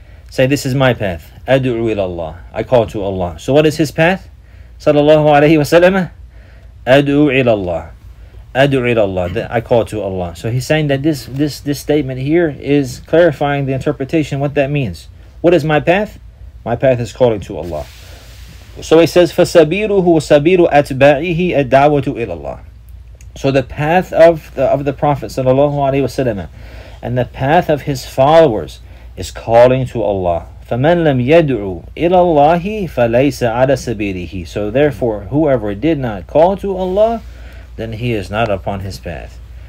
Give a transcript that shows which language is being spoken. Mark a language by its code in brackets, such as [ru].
[en] Say, this is my path. Ad'u ila Allah. I call to Allah. So what is his path? Sallallahu alayhi wa sallam. Ad'u ila Allah. Ad'u ila Allah. I call to Allah. So he's saying that this statement here is clarifying the interpretation, what that means. What is my path? My path is calling to Allah. So he says, [ar] فَسَبِيرُهُ وَسَبِيرُ أَتْبَعِهِ الدَّعْوَةُ إِلَى اللَّهِ. [en] So the path of the Prophet sallallahu alayhi wa sallam and the path of his followers is calling to Allah. [ar] فَمَنْ لَمْ يَدْعُوا إِلَى اللَّهِ فَلَيْسَ عَلَى سَبِيرِهِ. [en] So therefore, whoever did not call to Allah, then he is not upon his path.